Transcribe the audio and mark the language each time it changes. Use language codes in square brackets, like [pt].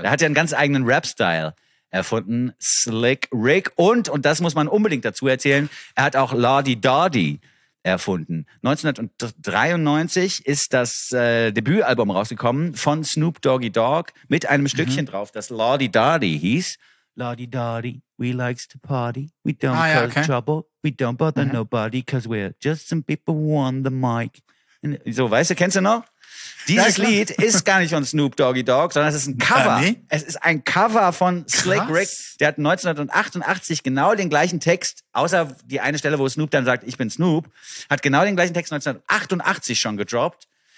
[de] So, er hat ja einen ganz eigenen Rap-Style erfunden. Slick Rick. Und das muss man unbedingt dazu erzählen, er hat auch Lordy Dordy erfunden. 1993 ist das Debütalbum rausgekommen von Snoop Doggy Dogg mit einem Stückchen drauf, das Lordy Dordy hieß. [en] Lordy Dordy, we likes to party, we don't cause trouble, we don't bother nobody, cause we're just some people who want the mic. [de] And, so, weißt du, kennst du noch? Dieses Lied ist gar nicht von Snoop Doggy Dogg, sondern es ist ein Cover. Es ist ein Cover von Slick Rick. Der hat 1988 genau den gleichen Text, außer die eine Stelle, wo Snoop dann sagt, ich bin Snoop, hat genau den gleichen Text 1988 schon gedroppt.